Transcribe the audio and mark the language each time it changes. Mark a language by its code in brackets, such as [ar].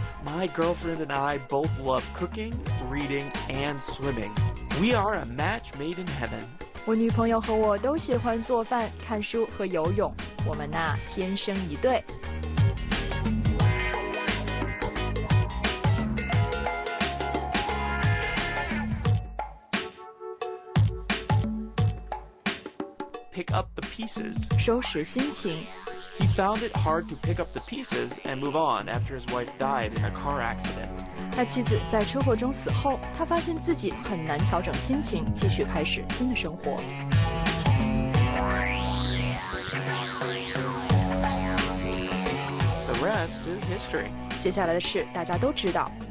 [en] My girlfriend and I both love cooking, reading, and swimming. We are a match made in heaven. [zh] 我女朋友和我都喜欢做饭、看书和游泳，我们呐，天生一对。 [en] Pick up the pieces. [zh] 收拾心情。 [en] He found it hard to pick up the pieces and move on after his wife died in a car accident. [zh] 他妻子在车祸中死后，他发现自己很难调整心情，继续开始新的生活。 [en] The rest is history. [zh] 接下来的事大家都知道。